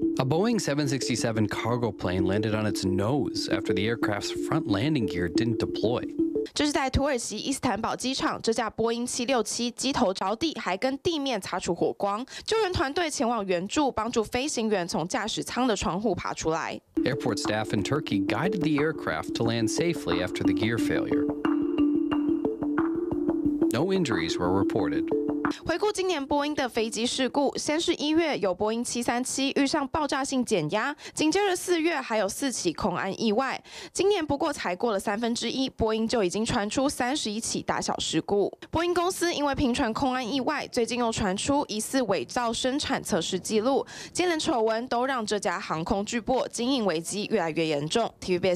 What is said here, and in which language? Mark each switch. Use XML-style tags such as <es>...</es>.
<en>A Boeing 767 cargo plane landed on its nose after the aircraft's front landing gear didn't deploy.</en> <zh>这是在土耳其伊斯坦堡机场，这架波音767机头着地，还跟地面擦出火光。救援团队前往援助，帮助飞行员从驾驶舱的窗户爬出来。</zh> <en>Airport staff in Turkey guided the aircraft to land safely after the gear failure. No injuries were reported.</en> <zh>回顾今年波音的飞机事故，先是1月有波音737遇上爆炸性减压，紧接着4月还有4起空安意外，今年不过才过了1/3，波音就已经传出31起大小事故。波音公司因为频传空安意外，最近又传出疑似伪造生产测试记录，接连丑闻都让这家航空巨擘经营危机越来越严重。TVBS</zh>